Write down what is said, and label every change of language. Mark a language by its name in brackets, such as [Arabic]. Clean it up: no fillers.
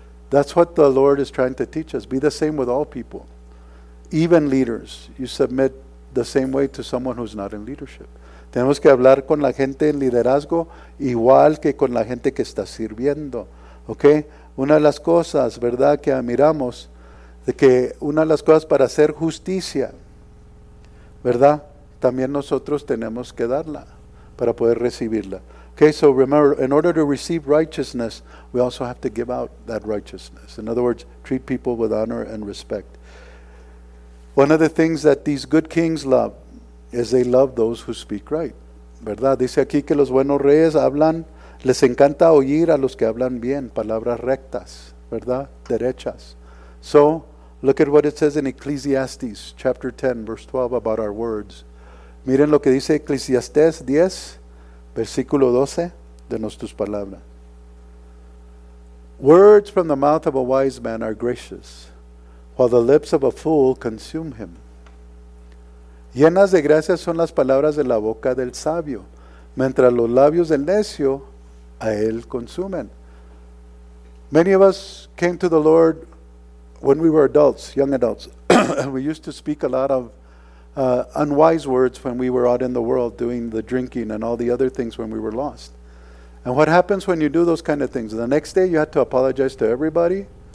[English] That's what the Lord is trying to teach us. Be the same with all people. Even leaders, you submit the same way to someone who's not in leadership. [Spanish] Tenemos que hablar con la gente en liderazgo igual que con la gente que está sirviendo, ¿ok? Una de las cosas, ¿verdad?, que admiramos, de que una de las cosas para hacer justicia, ¿verdad?, también nosotros tenemos que darla para poder recibirla. [English] Okay, so remember, in order to receive righteousness, we also have to give out that righteousness. In other words, treat people with honor and respect. One of the things that these good kings love is they love those who speak right. [Spanish] ¿Verdad? Dice aquí que los buenos reyes hablan, les encanta oír a los que hablan bien, palabras rectas, ¿verdad? Derechas. [English] So, look at what it says in Ecclesiastes, chapter 10, verse 12, about our words. [Spanish] Miren lo que dice Ecclesiastes 10, versículo 12, de nuestras palabras. [English] Words from the mouth of a wise man are gracious, while the lips of a fool consume him. [Spanish] Llenas de gracia son las palabras de la boca del sabio, mientras los labios del necio a él consumen. [English] Many of us came to the Lord when we were adults, young adults. We used to speak a lot of unwise words when we were out in the world doing the drinking and all the other things when we were lost. And what happens when you do those kind of things? The next day you had to apologize to everybody.